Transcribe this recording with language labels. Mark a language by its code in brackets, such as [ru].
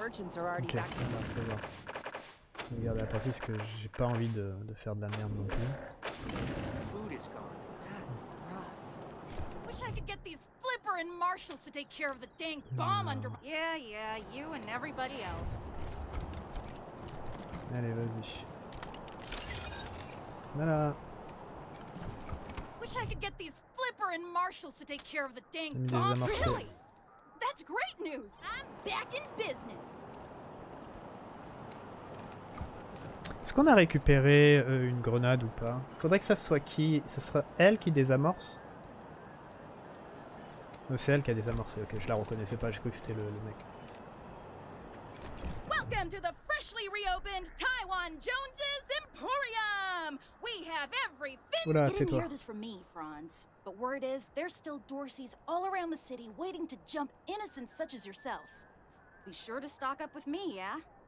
[fr] Ok, on va regarder la partie parce que j'ai pas envie de faire de la merde non plus. [en] Wish I could get these Flipper and Marshals to take care of the dank bomb under. Yeah, yeah, you and everybody else. [fr] Allez, vas-y. Voilà. [en] Wish I could get these Flipper and Marshals to take care of the dank bomb. Really? That's great news. I'm back in business. [fr] Est-ce qu'on a récupéré une grenade ou pas? Faudrait que ça soit qui? Ça sera elle qui désamorce? C'est elle qui a désamorcé, ok, je la reconnaissais pas, je croyais que c'était le mec. [en] Welcome to the freshly reopened Taiwan Jones's Emporium! We have every fin- [fr] Oula, [en] you didn't hear this from me, Franz. But word is, there's still Dorseys all around the city waiting to jump innocents such as yourself. Be sure to stock up with me, yeah?